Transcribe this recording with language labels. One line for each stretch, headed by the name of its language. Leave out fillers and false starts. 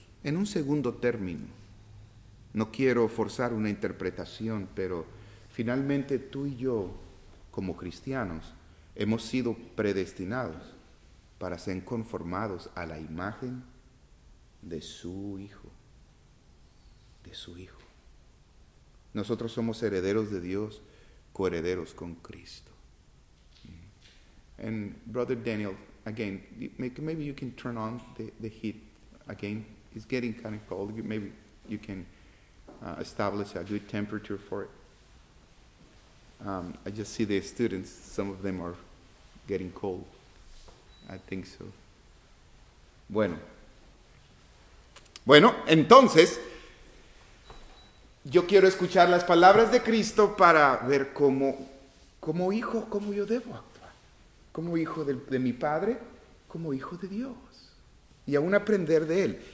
Spanish: En un segundo término, no quiero forzar una interpretación, pero finalmente tú y yo, como cristianos, hemos sido predestinados para ser conformados a la imagen de su Hijo. De su Hijo. Nosotros somos herederos de Dios, coherederos con Cristo.
English: And Brother Daniel, again, maybe you can turn on the heat again. It's getting kind of cold. Maybe you can establish a good temperature for it. I just see the students, some of them are getting cold. I think so.
Spanish: Bueno, entonces, yo quiero escuchar las palabras de Cristo para ver cómo, como hijo, cómo yo debo actuar. Como hijo de mi Padre, como hijo de Dios. Y aún aprender de Él.